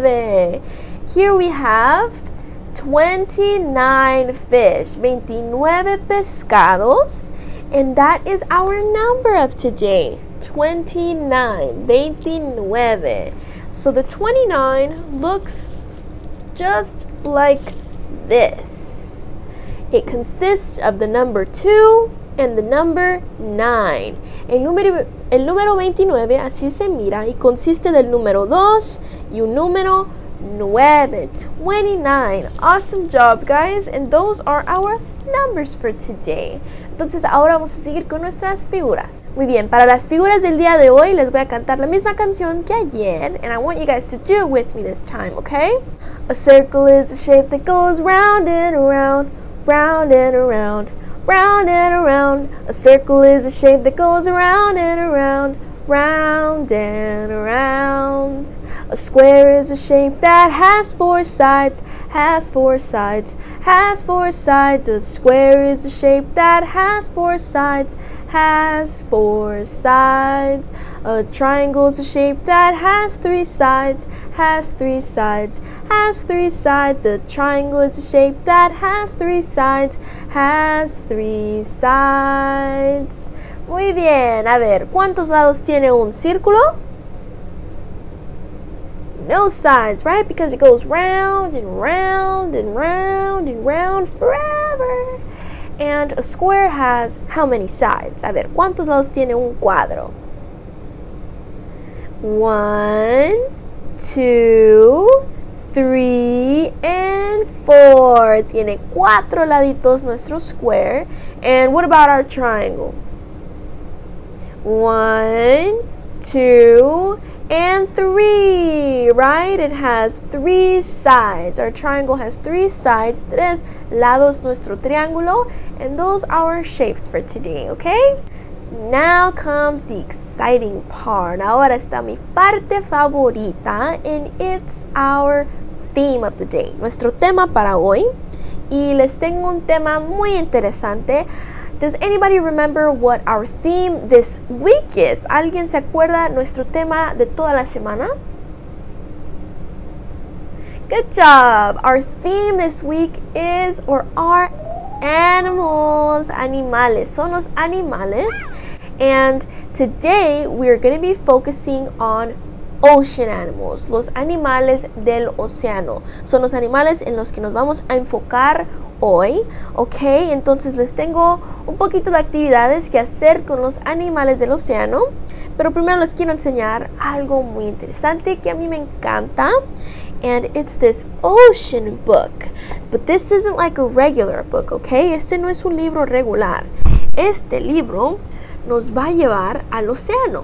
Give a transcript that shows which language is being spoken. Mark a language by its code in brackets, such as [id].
[en] Here we have 29 fish, [es] 29 pescados, [en] and that is our number of today, 29, 29. So the 29 looks just like this. It consists of the number 2 and the number 9. [es] El número 29 así se mira y consiste del número 2 y un número 9. [en] 29. Awesome job, guys. And those are our numbers for today. [es] Entonces ahora vamos a seguir con nuestras figuras. Muy bien, para las figuras del día de hoy les voy a cantar la misma canción que ayer. [en] And I want you guys to do it with me this time, okay? A circle is a shape that goes round and around, round and around, round and around. A circle is a shape that goes round and around, round and around. A square is a shape that has four sides, has four sides, has four sides. A square is a shape that has four sides, has four sides. A triangle is a shape that has three sides, has three sides, has three sides. A triangle is a shape that has three sides, has three sides. [es] Muy bien, a ver, ¿cuántos lados tiene un círculo? [en] No sides, right? Because it goes round and round and round and round forever. And a square has how many sides? [es] A ver, ¿cuántos lados tiene un cuadro? [en] One, two, three, and four. [es] Tiene cuatro laditos nuestro square. [en] And what about our triangle? One, two, and three, right? It has three sides. Our triangle has three sides. [es] Tres lados nuestro triángulo. [en] And those are our shapes for today, okay? Now comes the exciting part. [es] Ahora está mi parte favorita. [en] And it's our theme of the day. [es] Nuestro tema para hoy. Y les tengo un tema muy interesante. [en] Does anybody remember what our theme this week is? [es] ¿Alguien se acuerda nuestro tema de toda la semana? [en] Good job! Our theme this week is or are animals. [es] Animales. Son los animales. [en] And today we are going to be focusing on ocean animals. [es] Los animales del océano. Son los animales en los que nos vamos a enfocar hoy, ok, entonces les tengo un poquito de actividades que hacer con los animales del océano, pero primero les quiero enseñar algo muy interesante que a mí me encanta, [en] and it's this ocean book, but this isn't like a regular book, [es] ok, este no es un libro regular, este libro nos va a llevar al océano.